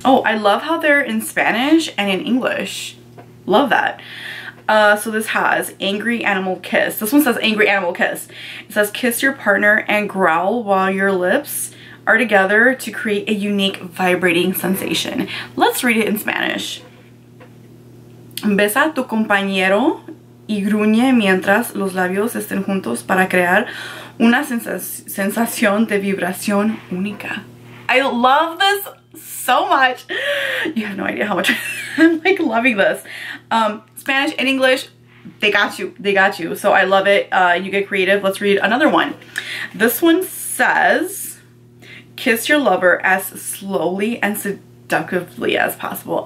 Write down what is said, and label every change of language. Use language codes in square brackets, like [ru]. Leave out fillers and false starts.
[en] Oh, I love how they're in Spanish and in English. Love that. So this has angry animal kiss. This one says angry animal kiss. It says kiss your partner and growl while your lips are together to create a unique vibrating sensation. Let's read it in Spanish. [es] Besa a tu compañero y gruñe mientras los labios estén juntos para crear una sensación de vibración única. [en] I love this so much. You have no idea how much I'm like loving this. Spanish and English, they got you. They got you. So I love it. You get creative. Let's read another one. This one says, kiss your lover as slowly and seductively as possible.